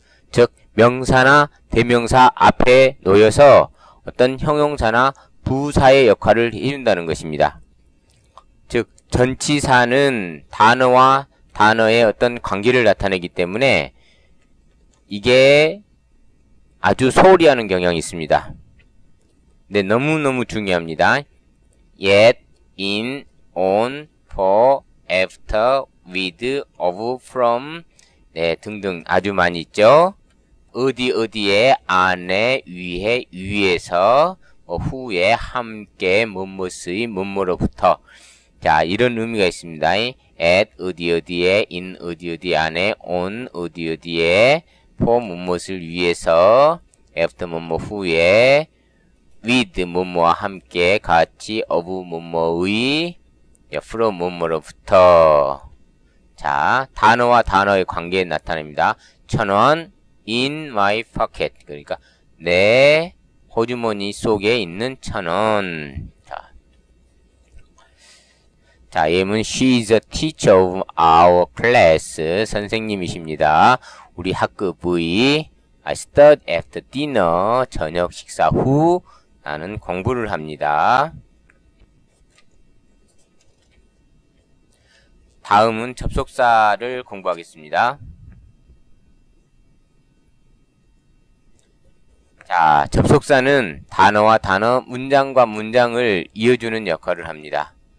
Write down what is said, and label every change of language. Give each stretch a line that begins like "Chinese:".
Korean: 즉, 명사나 대명사 앞에 놓여서 어떤 형용사나 부사의 역할을 해준다는 것입니다. 즉, 전치사는 단어와 단어의 어떤 관계를 나타내기 때문에 이게 아주 소홀히 하는 경향이 있습니다. 근데 너무너무 중요합니다.
English: yet, in, on, for, after, with, of, from
Korean: 네, 등등 아주 많이 있죠. 어디 어디에, 안에, 위에, 위에서 후에, 함께, 뭇뭇의, 뭇뭇으로부터 자, 이런 의미가 있습니다. at, 어디 어디에, in, 어디 어디 안에, on, 어디 어디에 for, 뭇뭇을 위해서 after, 뭇뭇 후에 with, 뭇뭇와 함께 같이, of, 뭇뭇의 from, 뭇뭇으로부터 자, 단어와 단어의 관계에 나타납니다.
English: 천원, in my pocket.
Korean: 그러니까, 내 호주머니 속에 있는 천원. 자, 예문,
English: she is a teacher of our class.
Korean: 선생님이십니다. 우리 학급의,
English: I study after dinner.
Korean: 저녁 식사 후 나는 공부를 합니다. 다음은 접속사를 공부하겠습니다. 자, 접속사는 단어와 단어, 문장과 문장을 이어주는 역할을 합니다.